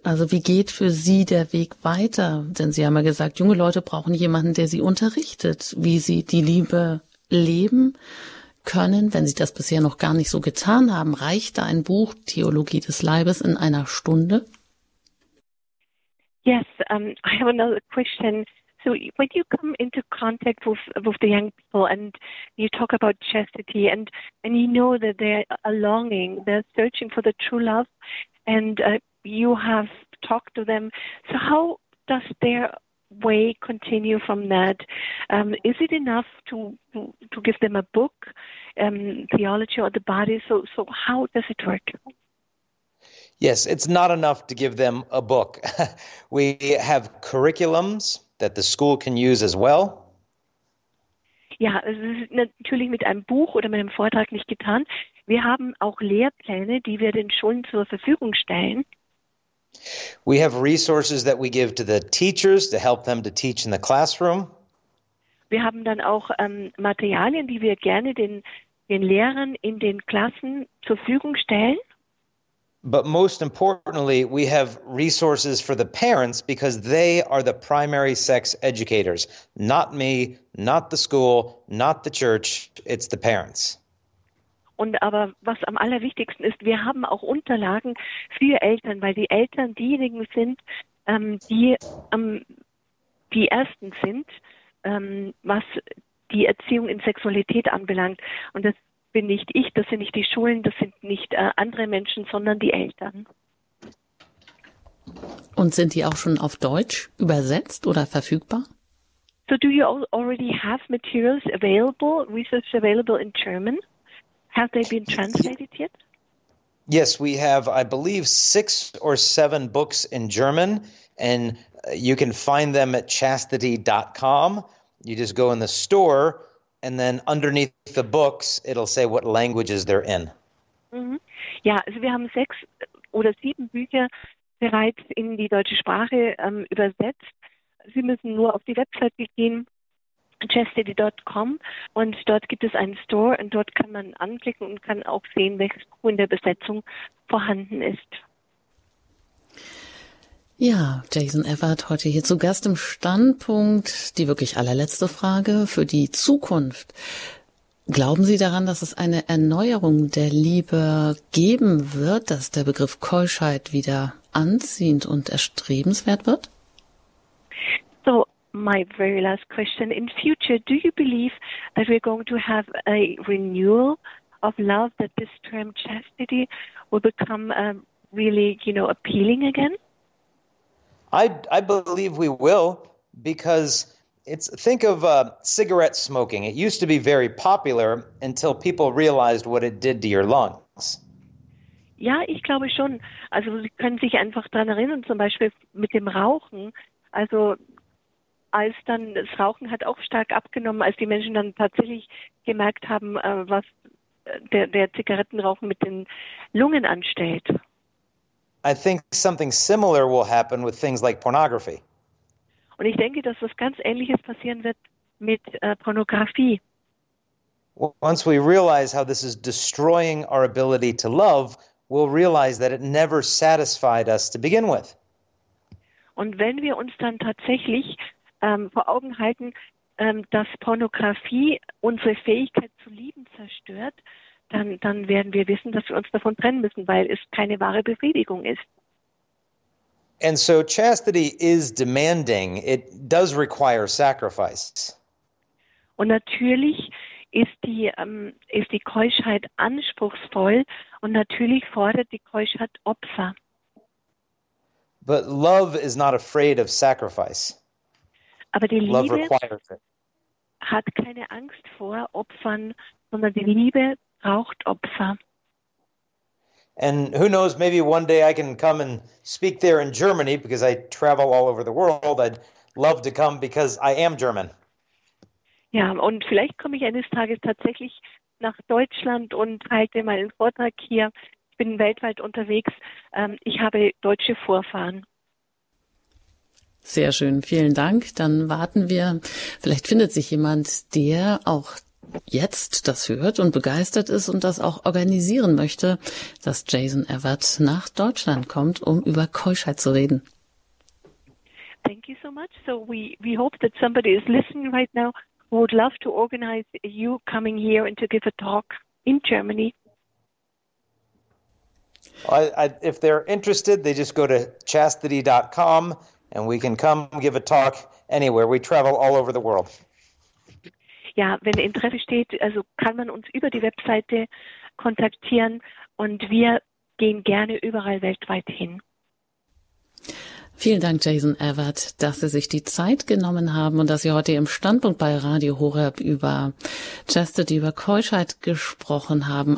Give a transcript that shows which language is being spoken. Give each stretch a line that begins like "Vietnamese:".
German: Also wie geht für Sie der Weg weiter? Denn Sie haben ja gesagt, junge Leute brauchen jemanden, der sie unterrichtet, wie sie die Liebe leben können. Wenn sie das bisher noch gar nicht so getan haben, reicht da ein Buch, Theologie des Leibes, in einer Stunde?
English: Yes, I have another question. So when you come into contact with the young people and you talk about chastity and you know that they're a longing, they're searching for the true love, and you have talked to them, so how does their way continue from that? Is it enough to give them a book, theology or the body? So how does it work? Yes, it's not enough to give them a book. We have curriculums that the school can use as well.
German: Ja, es ist natürlich mit einem Buch oder mit einem Vortrag nicht getan. Wir haben auch Lehrpläne, die wir den Schulen zur Verfügung stellen.
English: We have resources that we give to the teachers to help them to teach in the classroom.
German: Wir haben dann auch Materialien, die wir gerne den den Lehrern in den Klassen zur Verfügung stellen.
English: But most importantly, we have resources for the parents because they are the primary sex educators. Not me, not the school, not the church, it's the parents.
German: Und aber was am allerwichtigsten ist, wir haben auch Unterlagen für Eltern, weil die Eltern diejenigen sind, die Ersten sind, was die Erziehung in Sexualität anbelangt. Und das bin nicht ich, das sind nicht die Schulen, das sind nicht andere Menschen, sondern die Eltern. Und sind die auch schon auf Deutsch übersetzt oder verfügbar?
English: So do you already have materials available, research available in German? Have they been translated yet? Yes, we have, I believe, 6 or 7 books in German, and you can find them at chastity.com. You just go in the store, and then underneath the books, it'll say what languages they're in. Mm-hmm.
German: Ja, also wir haben 6 oder 7 Bücher bereits in die deutsche Sprache übersetzt. Sie müssen nur auf die Website gehen, chastity.com, und dort gibt es einen Store, und dort kann man anklicken und kann auch sehen, welches Buch in der Besetzung vorhanden ist. Ja, Jason Evert heute hier zu Gast im Standpunkt. Die wirklich allerletzte Frage für die Zukunft. Glauben Sie daran, dass es eine Erneuerung der Liebe geben wird, dass der Begriff Keuschheit wieder anziehend und erstrebenswert wird?
English: So, my very last question. In future, do you believe that we're going to have a renewal of love, that this term chastity will become really, you know, appealing again? I believe we will, because think of cigarette smoking. It used to be very popular until people realized what it did to your lungs.
German: Ja, ich glaube schon. Also Sie können sich einfach daran erinnern, zum Beispiel mit dem Rauchen. Also als dann das Rauchen hat auch stark abgenommen, als die Menschen dann tatsächlich gemerkt haben, was der Zigarettenrauchen mit den Lungen anstellt.
English: I think something similar will happen with things like pornography.
German: Und ich denke, dass was ganz Ähnliches passieren wird mit Pornografie.
English: Once we realize how this is destroying our ability to love, we'll realize that it never satisfied us to begin with.
German: Und wenn wir uns dann tatsächlich vor Augen halten, dass Pornografie unsere Fähigkeit zu lieben zerstört, dann werden wir wissen, dass wir uns davon trennen müssen, weil es keine wahre Befriedigung ist.
English: And so chastity is demanding. It does require sacrifice.
German: Und natürlich ist die Keuschheit anspruchsvoll, und natürlich fordert die Keuschheit Opfer.
English: But love is not afraid of sacrifice.
German: Aber die Liebe hat keine Angst vor Opfern, sondern die Liebe braucht Opfer.
English: And who knows, maybe one day I can come and speak there in Germany, because I travel all over the world. I'd love to come, because I am German.
German: Ja, und vielleicht komme ich eines Tages tatsächlich nach Deutschland und halte meinen Vortrag hier. Ich bin weltweit unterwegs. Ich habe deutsche Vorfahren. Sehr schön, vielen Dank. Dann warten wir. Vielleicht findet sich jemand, der auch jetzt das hört und begeistert ist und das auch organisieren möchte, dass Jason Evert nach Deutschland kommt, um über Keuschheit zu reden.
English: Thank you so much. So we hope that somebody is listening right now who would love to organize you coming here and to give a talk in Germany. If they're interested, they just go to chastity.com and we can come give a talk anywhere. We travel all over the world.
German: Ja, wenn Interesse steht, also kann man uns über die Webseite kontaktieren, und wir gehen gerne überall weltweit hin. Vielen Dank, Jason Evert, dass Sie sich die Zeit genommen haben und dass Sie heute im Standpunkt bei Radio Horeb über Chastity, über Keuschheit gesprochen haben.